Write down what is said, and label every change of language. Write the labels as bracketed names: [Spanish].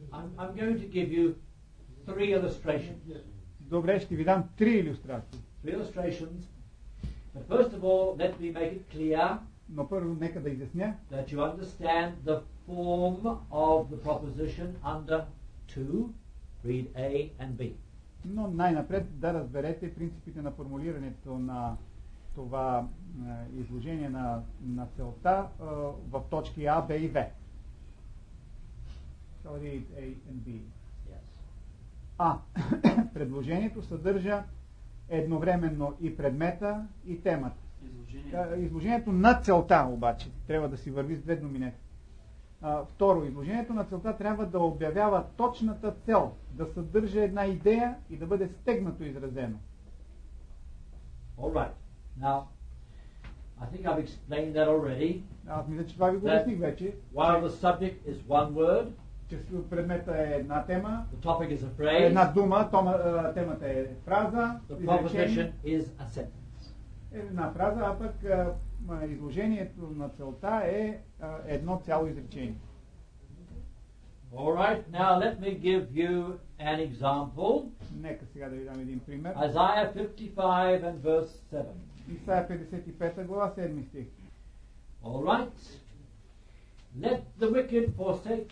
[English] I'm going to give you three illustrations. [Bulgarian] Добре, ще ви дам три илюстрации. [English] Three illustrations. But first of all, let me make it clear. [Bulgarian] Но първо нека да изясня. [English] That you understand the form of the proposition under two, read A and B. [Bulgarian] Но най-напред да разберете принципите на формулирането на това изложение на, на целта в точки А, Б и В. [English] So read A and B. Yes. [Bulgarian] А. Предложението съдържа едновременно и предмета, и темата. Изложението. Изложението на целта, обаче, трябва да си върви с две думи. Второ, изложението на целта трябва да обявява точната цел, да съдържа една идея и да бъде стегнато изразено. [English] All right. Now, I think I've explained that already. [Bulgarian] Аз мисля, че това ви го обясних вече. [English] While the subject is one word, [Bulgarian] че предмета е една тема, [English] the topic is a phrase, [Bulgarian] една дума, темата е фраза, [English] the proposition is a sentence. [Bulgarian] Една фраза, а пък изложението на целта е едно цяло изречение. [English] All right, now let me give you an example. [Bulgarian] Нека сега да ви дам един пример. [English] Isaiah 55 and verse 7. [Bulgarian] Исаия 55 глава 7 стих. [English] All right. Let the wicked forsake.